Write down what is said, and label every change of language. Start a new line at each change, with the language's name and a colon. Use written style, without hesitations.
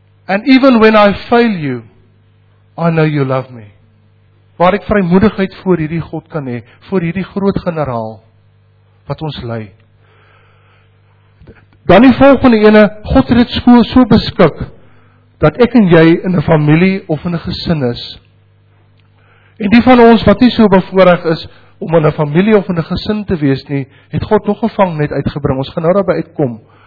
English: And even when I fail you, I know you love me.
Afrikaans: Waar ek vrymoedigheid voor hierdie God kan hê, voor hierdie groot generaal, wat ons lei. Dan die volgende ene, God het dit so beskik, dat ek en jy in 'n familie of in 'n gesin is. En die van ons wat nie so bevoorreg is, om in 'n familie of in 'n gesin te wees nie, het God nog 'n vangnet uitgebring, ons gaan nou daarby uitkom.